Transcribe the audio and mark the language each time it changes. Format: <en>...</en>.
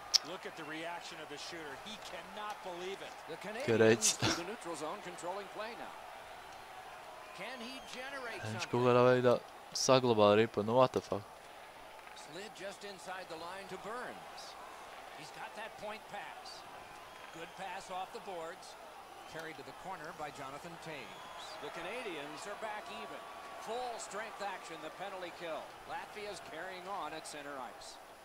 <en>Look at the reaction of the shooter. He cannot believe it. The Canadiens to the neutral zone controlling play now. Can he generate something?</en> <lv>Viņš kaut kādā veidā saglabā ripu.</lv> <en>Nu, what the fuck? Slid just inside the line to Burns. He's got that point pass. Good pass off the boards. Carried to the corner by Jonathan Toews. The Canadiens are back even. Full strength action, the penalty kill. Latvia's carrying on at center ice.</en>